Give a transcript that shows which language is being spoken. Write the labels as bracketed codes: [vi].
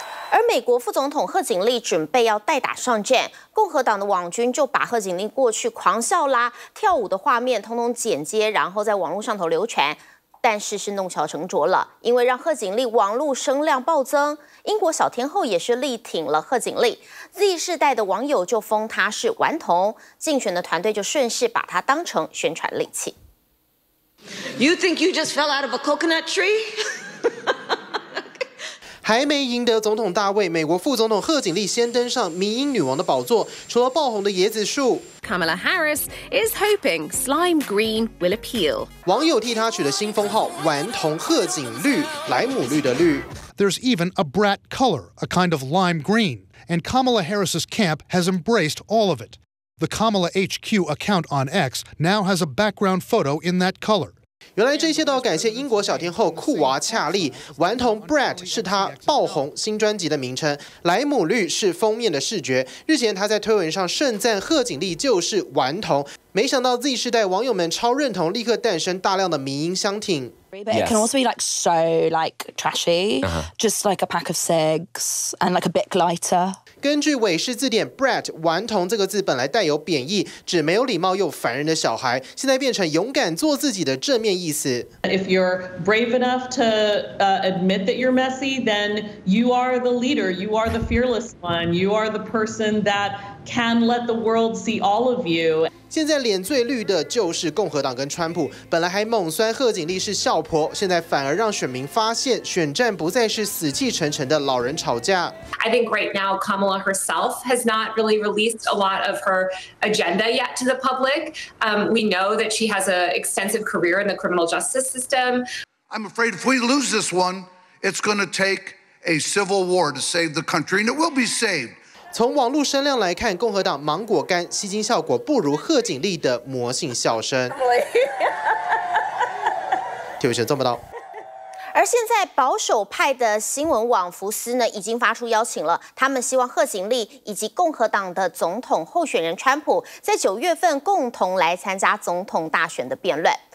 [zh] 而美国副总统贺锦丽准备要代打上阵，共和党的网军就把贺锦丽过去狂笑啦、跳舞的画面通通剪接，然后在网络上头流传。但事是弄巧成拙了，因为让贺锦丽网络声量暴增，英国小天后也是力挺了贺锦丽， Z 世代的网友就封她是顽童，竞选的团队就顺势把她当成宣传利器。 [en] You think you just fell out of a coconut tree? [zh] 还没赢得总统大位，美国副总统贺锦丽先登上迷因女王的宝座，除了爆红的椰子树。 [en] Kamala Harris is hoping slime green will appeal. [zh] 网友替她取的新封号“顽童贺锦绿”，莱姆绿的绿。 [en] There's even a brat color, a kind of lime green, and Kamala Harris's camp has embraced all of it. The Kamala HQ account on X now has a background photo in that color. [zh] 原来这些都要感谢英国小天后酷娃恰丽，顽童 Brat 是她爆红新专辑的名称，莱姆绿是封面的视觉。日前她在推文上盛赞贺锦丽就是顽童，没想到 Z 世代网友们超认同，立刻诞生大量的迷因相挺。 [en] But it can also be like so like trashy, just like a pack of cigs and like a Bic lighter. [zh] 根据韦氏字典 ，brat 顽童这个字本来带有贬义，指没有礼貌又烦人的小孩，现在变成勇敢做自己的正面意思。 [en] If you're brave enough to admit that you're messy, then you are the leader. You are the fearless one. You are the person that can let the world see all of you. [zh] 现在脸最绿的就是共和党跟川普，本来还猛酸贺锦丽是笑婆，现在反而让选民发现选战不再是死气沉沉的老人吵架。 [en] I think right now Kamala Kamala herself has not really released a lot of her agenda yet to the public. We know that she has an extensive career in the criminal justice system. I'm afraid if we lose this one, it's going to take a civil war to save the country, and it will be saved. [zh] 从网络声量来看，共和党芒果干吸金效果不如贺锦丽的魔性笑声。 TVBS 新闻报道。而现在保守派的新闻网福斯呢，已经发出邀请了，他们希望贺锦丽以及共和党的总统候选人川普在九月份共同来参加总统大选的辩论。